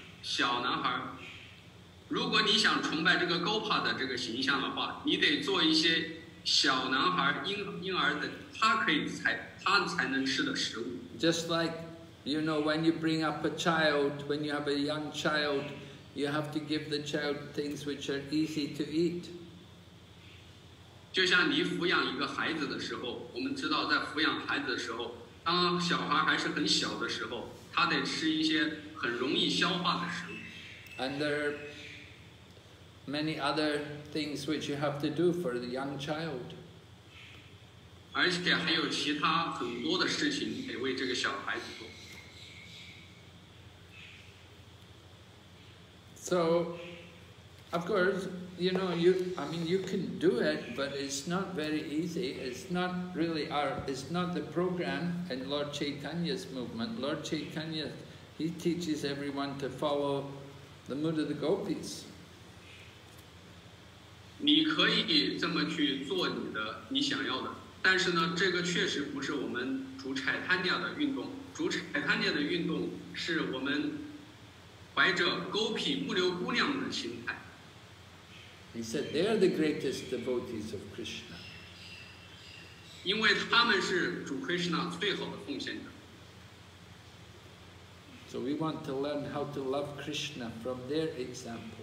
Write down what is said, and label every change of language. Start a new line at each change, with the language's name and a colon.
Chinese: 小男孩，如果你想崇拜这个 Gopa 的这个形象的话，你得做一些小男孩婴儿的他才能吃的食物。
English: Just like, you know, when you bring up a child, when you have a young child, you have to give the child things which are easy to eat.
Chinese: 就像你抚养一个孩子的时候，我们知道在抚养孩子的时候，当小孩还是很小的时候，他得吃一些。很容易消化的食物。
English: And there are many other things which you have to do for the young child.
Chinese: 而且还有其他很多的事情得为这个小孩子做。
English: So, of course, you know, you can do it, but it's not very easy. It's not the program in Lord Chaitanya's movement. Lord Chaitanya. He teaches everyone to follow the mood of the gopis.
Chinese: 你可以这么去做你想要的，但是呢，这个确实不是我们主柴坦尼亚的运动。主柴坦尼亚的运动是我们怀着勾引木流姑娘的心态。
English: He said they are the greatest devotees of Krishna.
Chinese: 因为他们是主 Krishna 最好的奉献者。
English: So we want to learn how to love Krishna from their example.